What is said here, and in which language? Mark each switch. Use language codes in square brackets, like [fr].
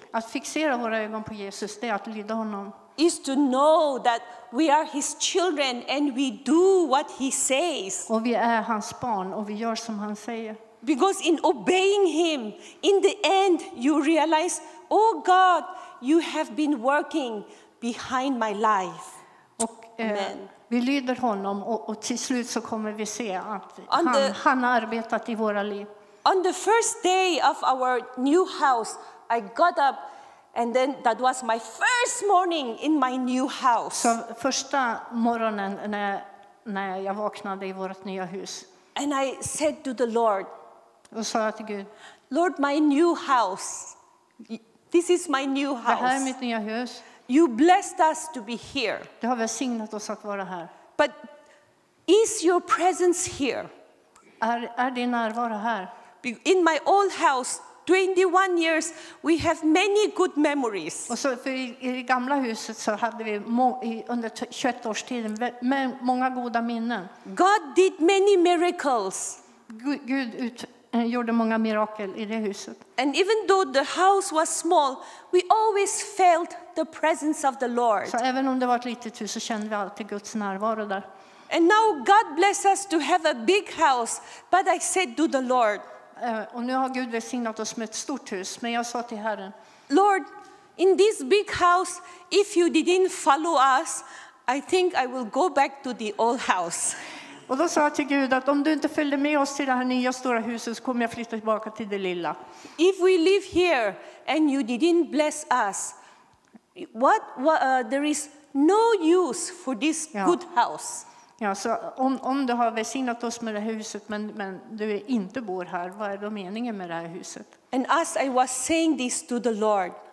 [sv] Att fixera våra ögon på Jesus, det är att lyda honom. [en] Is to know that we are his children and we do what he says. [sv] Och vi är hans barn och vi gör som han säger. [en] Because in obeying him, in the end you realize, oh God, you have been working behind my life. [sv] Och vi lyder honom och till slut så kommer vi se att han har arbetat i våra liv. [en] On the first day of our new house, I got up and then that was my first morning in my new house. [sv] Så första morgonen när jag vaknade i vårt nya hus. [en] And I said to the Lord. [sv] Och sa till Gud. [en] Lord, my new house. This is my new house. [sv] Det här är mitt nya hus. [en] You blessed us to be here. [sv] Du har välsignat oss att vara här. [en] But is your presence here? [sv] Är din närvaro här? [en] In my old house, 21 years, we have many good memories. [sv] Och så för i det gamla huset så hade vi under 21 års tid många goda minnen. [en] God did many miracles. [sv] Gud gjorde många mirakel i det huset. [en] And even though the house was small, we always felt the presence of the Lord. [sv] Så även om det var ett litet hus så kände vi alltid Guds närvaro där. [en] And now God bless us to have a big house, but I said to the Lord. [sv] Och nu har Gud välsignat oss med ett stort hus, men jag sa till Herren. [en] Lord, in this big house, if you didn't follow us, I think I will go back to the old house. [sv] Och då sa jag till Gud att om du inte följde med oss till det här nya stora huset så kommer jag flytta tillbaka till det lilla. [en] If we live here and you didn't bless us, what there is no use for this good house. [sv] Ja, så om du har välsignat oss med det här huset, men du inte bor här, vad är då meningen med det här huset? [en] And as I was saying this to the Lord,